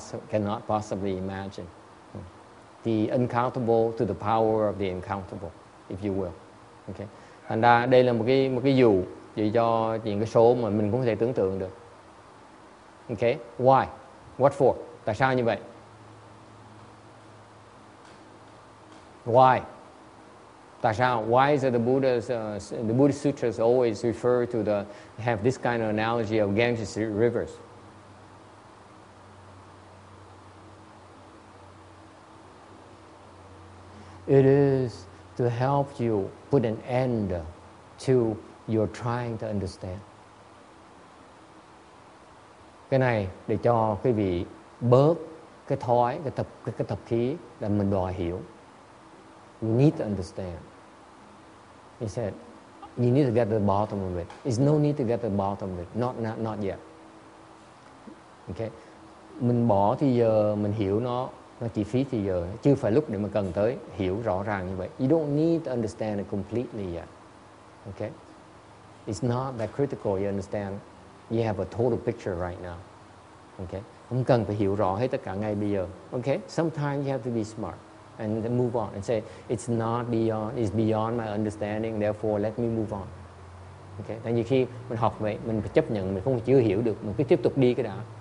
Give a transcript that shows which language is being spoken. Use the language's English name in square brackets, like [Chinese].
[English] Cannot possibly imagine the uncountable to the power of the uncountable, if you will. Okay. [Vietnamese] Thành ra đây là một cái dụ để cho những cái số mà mình cũng có thể tưởng tượng được. [English] Okay. Why? What for? [Vietnamese] Tại sao như vậy? [English] Why? [Vietnamese] Tại sao? [English] Why is it the Buddhist sutras always refer to the have this kind of analogy of Ganges rivers? It is to help you put an end to your trying to understand. [Vietnamese] cái này để cho quý vị bớt cái thói, cái tập khí là mình đòi hiểu. [English] You need to understand. He said, you need to get to the bottom of it. There's no need to get to the bottom of it. Not yet. Okay. [Vietnamese] Mình bỏ thì giờ, mình hiểu nó chi phí thì giờ, chưa phải lúc để mà cần tới, hiểu rõ ràng như vậy. [English] You don't need to understand it completely yet. Okay. It's not that critical, you understand. You have a total picture right now. Okay. [Vietnamese] Không cần phải hiểu rõ hết tất cả ngay bây giờ. [English] Okay. Sometimes you have to be smart. And then move on and say, it's not beyond, it's beyond my understanding, therefore let me move on. Okay. [Vietnamese] Tại vì khi mình học vậy, mình phải chấp nhận, mình không chưa hiểu được, mình cứ tiếp tục đi cái đã.